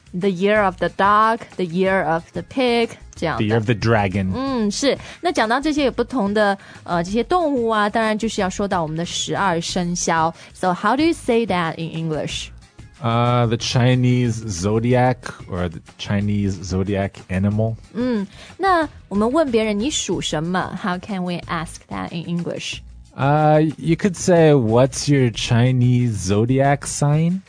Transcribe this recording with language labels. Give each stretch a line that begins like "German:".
English: The year of the dog, the year of the pig. The year of the dragon.
Chinese: 嗯，是。那讲到这些有不同的这些动物啊，当然就是要说到我们的十二生肖。
English: So how do you say that in English? The Chinese zodiac or the Chinese zodiac animal.
Chinese: 嗯，那我们问别人你属什么 ？
English: How can we ask that in English? You could say, "What's your Chinese zodiac sign?"